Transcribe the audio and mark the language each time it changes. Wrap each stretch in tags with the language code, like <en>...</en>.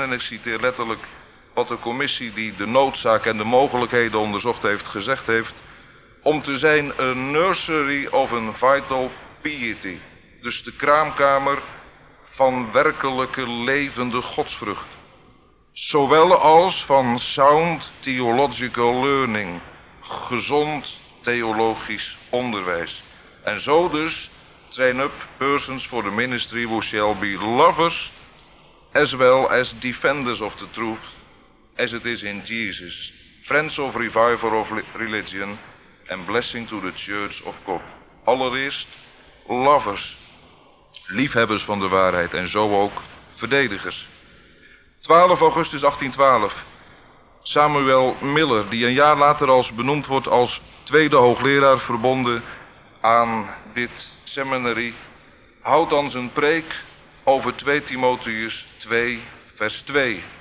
<nl>En ik citeer letterlijk wat de commissie die de noodzaak en de mogelijkheden onderzocht heeft gezegd heeft: om te zijn een</nl> <en>nursery of a vital piety,</en> <nl>dus de kraamkamer van werkelijke levende godsvrucht, zowel als van</nl> <en>sound theological learning,</en> <nl>gezond theologisch onderwijs. En zo dus</nl> <en>train up persons for the ministry who shall be lovers as well as defenders of the truth as it is in Jesus, friends of revival of religion and blessing to the church of God.</en> <nl>Allereerst lovers, liefhebbers van de waarheid, en zo ook verdedigers. 12 augustus 1812. Samuel Miller, die een jaar later als benoemd wordt als tweede hoogleraar verbonden aan dit seminary, houdt dan zijn preek over 2 Timotheus 2 vers 2...</nl>